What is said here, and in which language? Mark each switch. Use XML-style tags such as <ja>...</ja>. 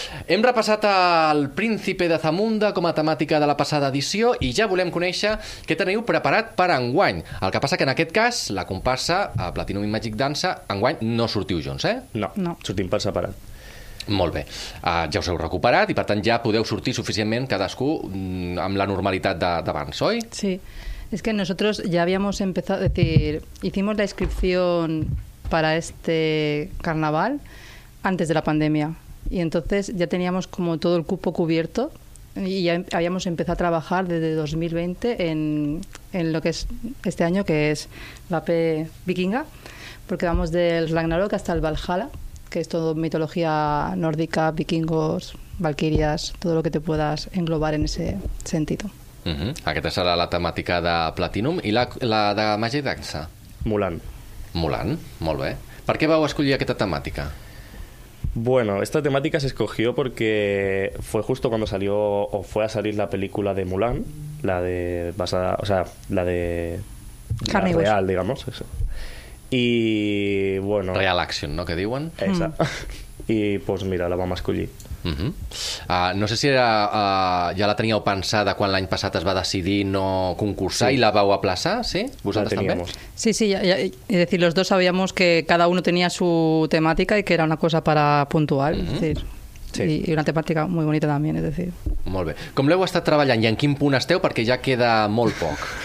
<ca>Hem repassat el Príncipe de Zamunda com a temàtica de la passada edició i ja volem conèixer què teniu preparat per enguany. El que passa que en aquest cas la comparsa Platinum and Magic Dance enguany no sortiu junts, eh? No. Sortim per separat. Molt bé, ja us heu recuperat i per tant ja podeu sortir suficientment cadascú amb la normalitat d'abans, oi?</ca> <es>Sí, es que nosotros ya habíamos empezado, es decir, hicimos la inscripción para este carnaval antes de la pandemia y entonces ya teníamos como todo el cupo cubierto y ya habíamos empezado a trabajar desde 2020 en lo que es este año, que es la P vikinga, porque vamos del Ragnarok hasta el Valhalla, que es todo mitología nórdica, vikingos, valquirias, todo lo que te puedas englobar en ese sentido. Uh-huh.</es> <ca>Aquesta serà la temàtica de Platinum. I la de Magic Dance? Mulan. Mulan, molt bé. Per què vau escollir aquesta temàtica?</ca> <es>Bueno, esta temática se escogió porque fue justo cuando salió o fue a salir la película de Mulan, la de basada, o sea, la de carne real, hueso, digamos, eso. Y bueno, Real Action, ¿no?</es> <ca>Que diuen.</ca> <es>Esa. Y pues mira,</es> <ca>la vam escollir. Uh-huh. No sé si era, ja la teníeu pensada quan l'any passat es va decidir no concursar, sí, i la vau aplaçar, sí? Vosaltres també?</ca> <es>Sí, sí, ya, es decir, los dos sabíamos que cada uno tenía su temática y que era una cosa para puntual, uh-huh, es decir. Sí.</es> <ca>I una temàtica molt bonita també, és a dir. Molt bé. Com l'heu estat treballant i en quin punt esteu? Perquè ja queda molt poc.</ca>